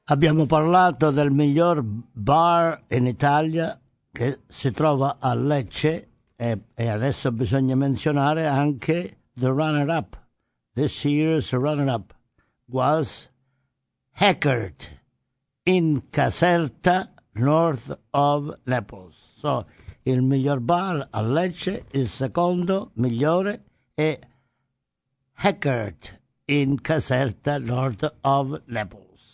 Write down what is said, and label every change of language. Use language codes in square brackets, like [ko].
[it] Abbiamo parlato del miglior bar in Italia che si trova a Lecce e adesso bisogna menzionare anche [en] the runner up. This year's runner up was Hackert in Caserta, north of Naples. [it] So, il miglior bar a Lecce, il secondo migliore è Hackert in Caserta, [en] north of Naples.